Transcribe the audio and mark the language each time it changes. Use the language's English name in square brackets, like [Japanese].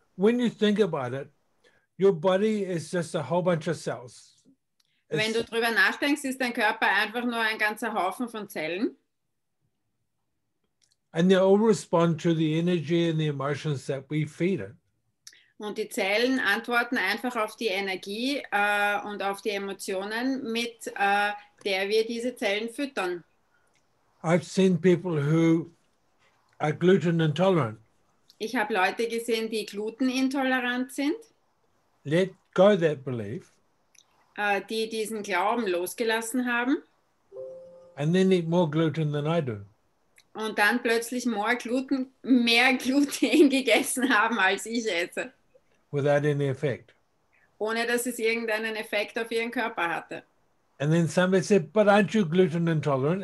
[English] When you think about it, your body is just a whole bunch of cells. [German] It's, wenn du drüber nachdenkst, ist dein Körper einfach nur ein ganzer Haufen von Zellen. [English] And they all respond to the energy and the emotions that we feed it. [German] Und die Zellen antworten einfach auf die Energie und auf die Emotionen, mit der wir diese Zellen füttern. [English] I've seen people who are gluten intolerant. [German] Ich habe Leute gesehen, die glutenintolerant sind. [English] Let go that belief. [German] Die diesen Glauben losgelassen haben. [English] And then eat more gluten than I do. [German] Und dann plötzlich mehr Gluten gegessen haben, als ich esse. [English] Without any effect. [German] Ohne dass es irgendeinen Effekt auf ihren Körper hatte. [English] And then somebody said, but aren't you gluten intolerant?